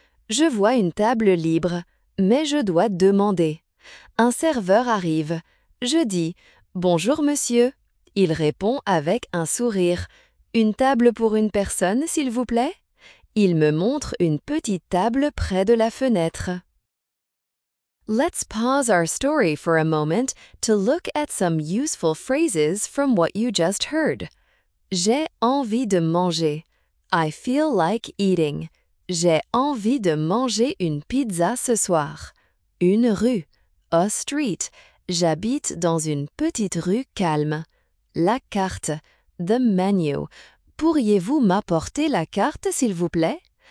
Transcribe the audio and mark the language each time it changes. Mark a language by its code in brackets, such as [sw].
[fr] Je vois une table libre, mais je dois demander. Un serveur arrive. Je dis « Bonjour, monsieur ». Il répond avec un sourire. « Une table pour une personne, s'il vous plaît ?» Il me montre une petite table près de la fenêtre. [en] Let's pause our story for a moment to look at some useful phrases from what you just heard. [fr] J'ai envie de manger. [en] I feel like eating. [fr] J'ai envie de manger une pizza ce soir. Une rue. [en] A street. [fr] J'habite dans une petite rue calme. La carte. [en] The menu. [fr] Pourriez-vous m'apporter la carte, s'il vous plaît?